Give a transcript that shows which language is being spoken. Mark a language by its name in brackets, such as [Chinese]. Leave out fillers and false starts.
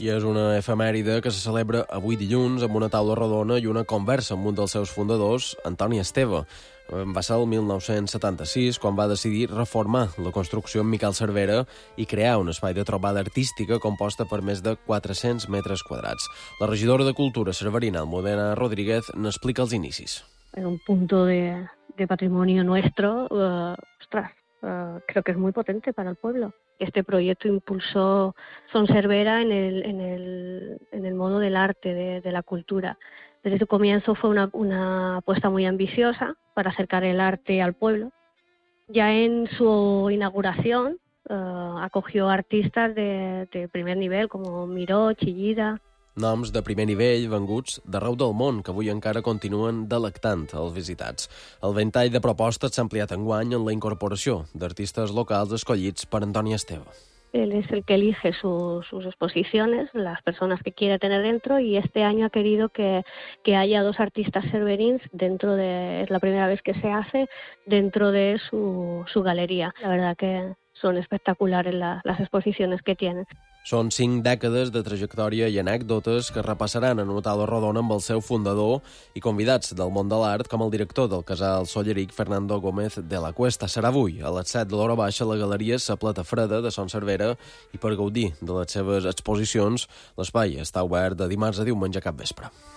[Catalan] I és una efemèride que se celebra avui dilluns amb una taula redona i una conversa amb un dels seus fundadors, Antoni Esteve. Va ser el 1976 quan va decidir reformar la construcció amb Miquel Cervera i crear un espai de trobada artística composta per més de 400 metres quadrats. La regidora de Cultura cerverina, Almudena Rodríguez, n'explica els inicis. [Spanish] En un punto de patrimonio nuestro, creo que es muy potente para el pueblo. Este proyecto impulsó Son Cervera en el modo del arte, de la cultura. Desde su comienzo fue una apuesta muy ambiciosa para acercar el arte al pueblo. Ya en su inauguración acogió artistas de primer nivel como Miró, Chillida. [Catalan] Noms de primer nivell venguts d'arreu del món que avui encara continuen delectant els visitats. El ventall de propostes s'ha ampliat enguany en la incorporació d'artistes locals escollits per Antoni Esteve. [Spanish] Él es el que elige sus exposiciones, las personas que quiere tener dentro, y este año ha querido que haya dos artistas cerverins dentro de, es la primera vez que se hace, dentro de su galería. La verdad que son espectaculares las exposiciones que tienen. [Catalan] Són cinc dècades de trajectòria i anècdotes que repassaran en una taula rodona amb el seu fundador i convidats del món de l'art, com el director del casal Solleric, Fernando Gómez de la Cuesta. Serà avui, a les 7 de l'hora baixa, a la galeria Sa Plata Freda de Son Servera, i per gaudir de les seves exposicions, l'espai està obert de dimarts a diumenge capvespre.